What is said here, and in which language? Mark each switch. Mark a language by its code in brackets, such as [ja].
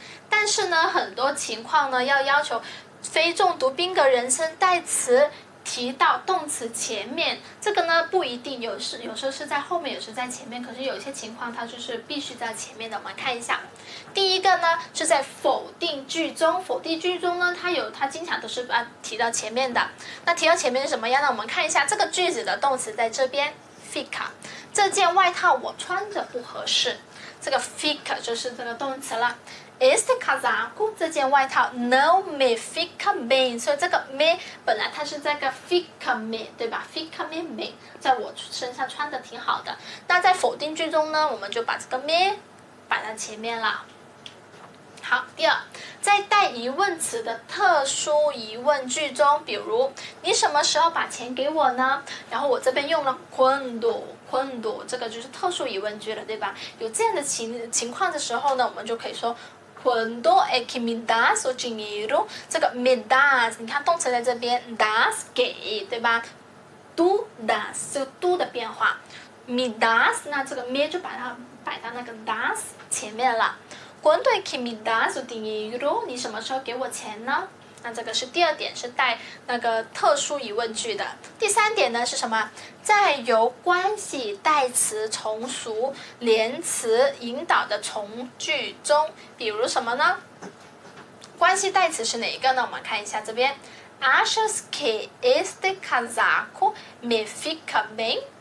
[zh] 但是呢，很多情况呢要求非重读宾格人称代词提到动词前面，这个呢不一定，有时候是在后面，有时候在前面，可是有些情况它就是必须在前面的。我们看一下，第一个呢是在否定句中，否定句中呢它经常都是提到前面的。那提到前面是什么样呢？我们看一下这个句子的动词在这边 fica， 这件外套我穿着不合适，这个 fica 就是这个动词了。 [pt] Este casaco [zh] 这件外套 [pt] no me fica bem， [zh] 所以这个 me 本来它是这个 fica me， 对吧？ [pt] fica me bem， [zh] 在我身上穿的挺好的。那在否定句中呢，我们就把这个 me 摆在前面了。好，第二，在带疑问词的特殊疑问句中，比如你什么时候把钱给我呢？然后我这边用了 quando， 这个就是特殊疑问句了，对吧？有这样的情况的时候呢，我们就可以说 [pt] Quando é que me das o dinheiro？ [zh] 这个 [pt] me das， [zh] 你看动词在这边 ，das 给，对吧 ？ [pt] Tu das， [zh] 这个 tu 的变化 ，me das， 那这个 me 就把它摆到那个 das 前面了。 [pt] Quando é que me das o dinheiro？ [zh] 你什么时候给我钱呢？那这个是第二点，是带那个特殊疑问句的。第三点呢是什么？在由关系代词从属连词引导的从句中，比如什么呢？关系代词是哪一个呢？我们看一下这边 ， [pt] achas que este casaco me fica bem？